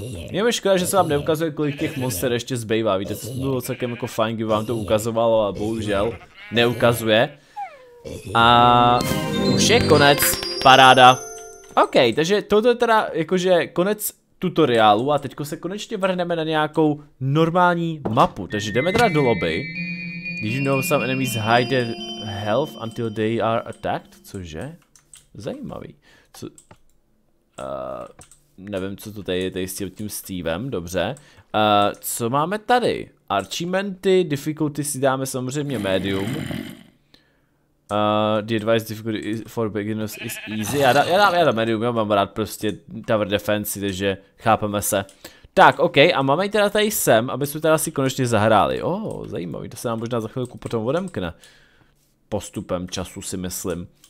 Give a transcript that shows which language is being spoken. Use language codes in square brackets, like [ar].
[cs] Je mi škoda, že se vám neukazuje, kolik těch monster ještě zbývá. Víte, to bylo celkem jako fajn, kdyby vám to ukazovalo, ale bohužel neukazuje. A už je konec. Paráda. OK, takže toto je teda jakože konec tutoriálu a teďko se konečně vrhneme na nějakou normální mapu. Takže jdeme teda do lobby. [en] Did you know some enemies hide their health until they are attacked? [cs] Cože? Zajímavý. Co? Nevím, co to tady je tady s tím Stevem, dobře. Co máme tady? Archimenty, difficulty si dáme samozřejmě medium. [en] The advice difficulty is for beginners is easy. [cs] Já dám medium, já mám rád prostě tower defense, takže chápeme se. Tak, OK, a máme ji teda tady sem, aby jsme teda si konečně zahráli. Oh, zajímavý, to se nám možná za chvilku potom odemkne. Postupem času si myslím.